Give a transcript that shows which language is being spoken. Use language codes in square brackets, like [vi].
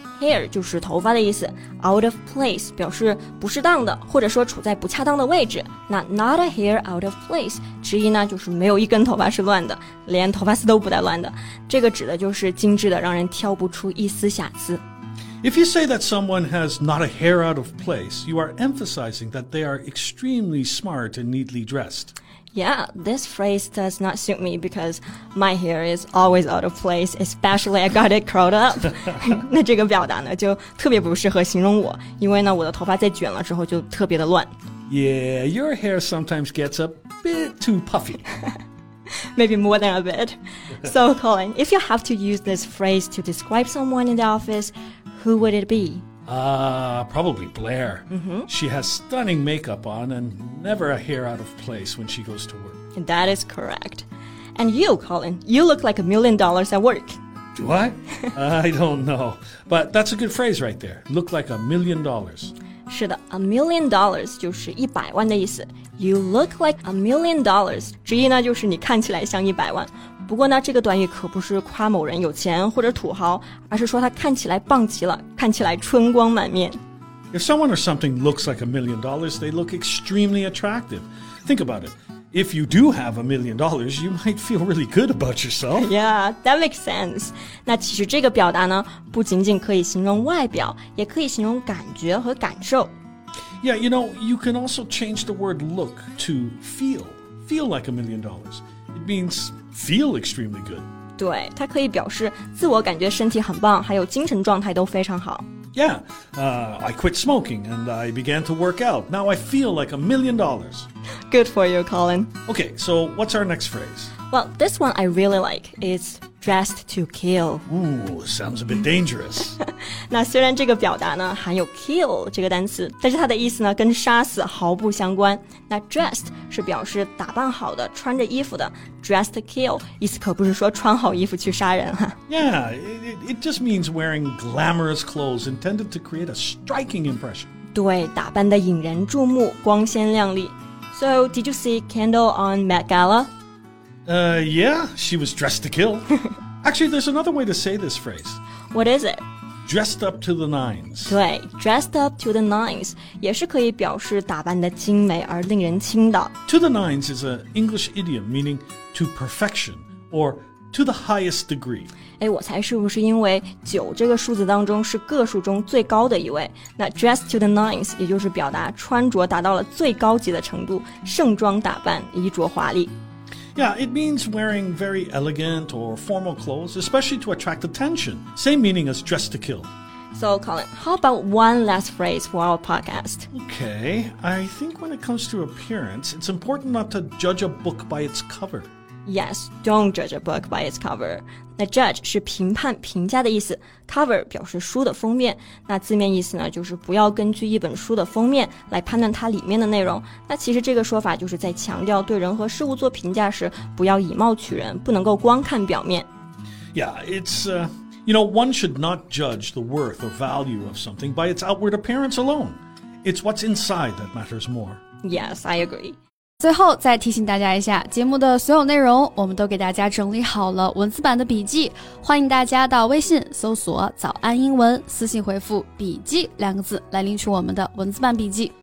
[zh] hair 就是头发的意思 out of place 表示不适当的或者说处在不恰当的位置那 [en] not a hair out of place [zh] 之一呢就是没有一根头发是乱的连头发丝都不带乱的这个指的就是精致的让人挑不出一丝瑕疵 [en] If you say that someone has not a hair out of place, you are emphasizing that they are extremely smart and neatly dressed. Yeah, this phrase does not suit me because my hair is always out of place, especially I got it curled up. [zh] 那这个表达呢就特别不适合形容我因为呢我的头发在卷了之后就特别的乱。 [en] Yeah, your hair sometimes gets a bit too puffy. Maybe more than a bit. So, Colin, if you have to use this phrase to describe someone in the office... Who would it be? Probably Blair. Mm-hmm. She has stunning makeup on and never a hair out of place when she goes to work. That is correct. And you, Colin, you look like $1 million at work. Do I? I don't know. But that's a good phrase right there. Look like $1 million. [zh] 是的 $1 million 就是一百万的意思。 [en] You look like $1 million. [zh] 之一呢就是你看起来像一百万。不过呢这个短语可不是夸某人有钱或者土豪而是说他看起来棒极了看起来春光满面。 [en] If someone or something looks like $1 million, they look extremely attractive. Think about it. If you do have $1 million, you might feel really good about yourself. Yeah, that makes sense. [zh] 那其实这个表达呢不仅仅可以形容外表也可以形容感觉和感受。 [en] Yeah, you know, you can also change the word look to feel. Feel like $1 million. It means... Feel extremely good. [zh] 对，它可以表示自我感觉身体很棒，还有精神状态都非常好。 [en] Yeah, I quit smoking and I began to work out. Now I feel like $1 million. Good for you, Colin. Okay, so what's our next phrase? Well, this one I really like. It's dressed to kill. Ooh, sounds a bit dangerous. [zh] 那虽然这个表达呢含有 kill 这个单词，但是它的意思呢跟杀死毫不相关。那 dressed 是表示打扮好的，穿着衣服的。 [en] Dressed to kill [zh] 意思可不是说穿好衣服去杀人哈。 [en] Yeah, it just means wearing glamorous clothes intended to create a striking impression. [zh] 对，打扮的引人注目，光鲜亮丽。 [en] So, did you see Kendall on Met Gala? Yeah, she was dressed to kill. Actually, there's another way to say this phrase. What is it? Dressed up to the nines. [zh] 对 , [en] dressed up to the nines, [zh] 也是可以表示打扮得精美而令人倾倒。 [en] To the nines is an English idiom meaning to perfection or to the highest degree. [zh] 诶我猜是不是因为九这个数字当中是个数中最高的一位。那 [en] dressed to the nines, [zh] 也就是表达穿着达到了最高级的程度盛装打扮衣着华丽。 [en] Yeah, it means wearing very elegant or formal clothes, especially to attract attention. Same meaning as dressed to kill. So, Colin, how about one last phrase for our podcast? Okay, I think when it comes to appearance, it's important not to judge a book by its cover. Yes, don't judge a book by its cover. [zh] 那 judge 是评判、评价的意思 ,cover 表示书的封面。那字面意思呢就是不要根据一本书的封面来判断它里面的内容。那其实这个说法就是在强调对人和事物做评价时不要以貌取人不能够光看表面。 [en] Yeah, it's, you know, one should not judge the worth or value of something by its outward appearance alone. It's what's inside that matters more. Yes, I agree. [zh] 最后再提醒大家一下节目的所有内容我们都给大家整理好了文字版的笔记欢迎大家到微信搜索早安英文私信回复笔记两个字来领取我们的文字版笔记